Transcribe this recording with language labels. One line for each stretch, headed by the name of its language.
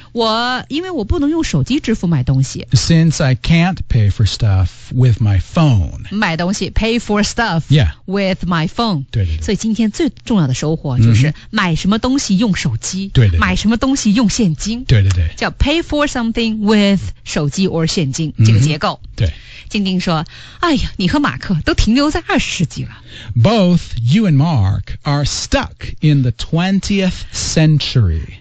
Chinese: 我因为我不能用手机支付买东西。
English: Since I can't pay for stuff with my phone.
Chinese: 买东西
English: pay for stuff、 yeah. with my phone.
Chinese: 对对对，所以今天最重要的收获就是买什么东西用手机。对对对，买什么东西用现金。对对对，叫
English: pay for something with
Chinese: 手机 or 现金、mm-hmm. 这个结构。对，静静说，哎呀，你和马克都停留在二十世纪了。
English: Both you and Mark are stuck in the 20th century.